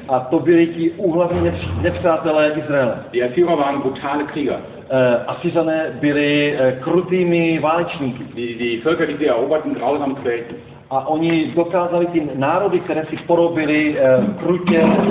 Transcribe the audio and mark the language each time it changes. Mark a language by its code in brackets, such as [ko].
[cs] A to byli ti úhlavní nepřátelé Izraele. [de] Die Assyrer waren brutale Krieger. [cs] Asyřané byli krutými válečníky. [de] Die Völker, die sie eroberten, grausam quälten. [cs] A oni dokázali ty národy, které si porobili, krutě